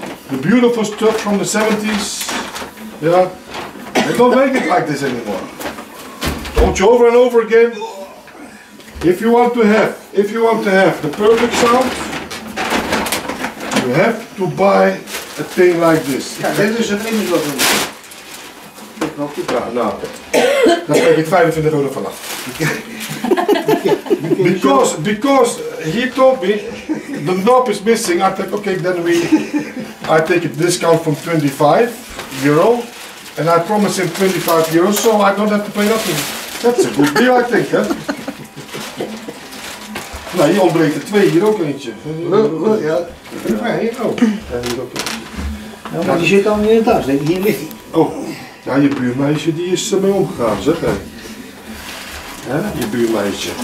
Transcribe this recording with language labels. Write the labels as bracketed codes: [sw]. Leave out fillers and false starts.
[en] The beautiful stuff from the 70s. Yeah. They don't make it like this anymore. Told you over and over again. If you want to have the perfect sound, you have to buy a thing like this. [nl] Dit is een image wat we doen. Nou, dan krijg ik 25 euro vanaf. [en] because he told me the knob is missing. I said, okay, then I take a discount from 25 euro, and I promise him 25 euro, so I don't have to pay nothing. That's a good deal, I think. Huh? [nl] Nou, hier ontbreekt er twee, hier ook eentje. Ja, hier ook. Maar die zit al in de tas, denk ik, hier ligt. Oh, ja, je buurmeisje die is ermee omgegaan, zeg hij. Ja, je buurmeisje.